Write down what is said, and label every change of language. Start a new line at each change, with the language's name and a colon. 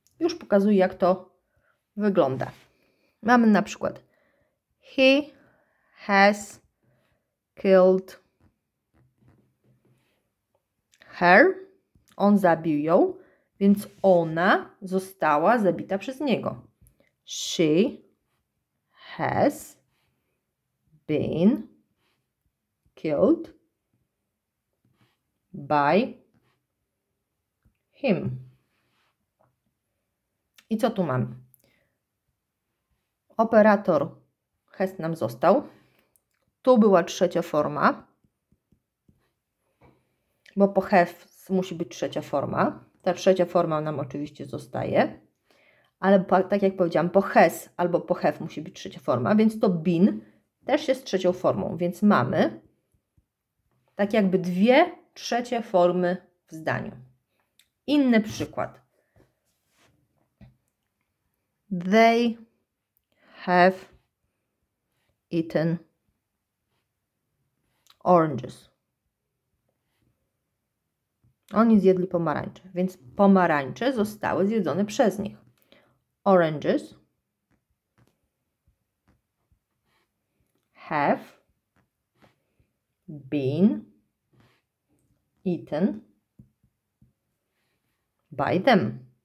Polish: Już pokazuję, jak to wygląda. Mamy na przykład
English: he has killed her.
Polish: On zabił ją, więc ona została zabita przez niego.
English: She has been killed by him.
Polish: I co tu mamy? Operator has nam został. Tu była trzecia forma, bo po have musi być trzecia forma. Ta trzecia forma nam oczywiście zostaje. Ale tak jak powiedziałam, po has albo po have musi być trzecia forma, więc to been też jest trzecią formą, więc mamy tak jakby dwie trzecie formy w zdaniu. Inny przykład.
English: They have eaten oranges.
Polish: Oni zjedli pomarańcze, więc pomarańcze zostały zjedzone przez nich.
English: Oranges have been eaten by them.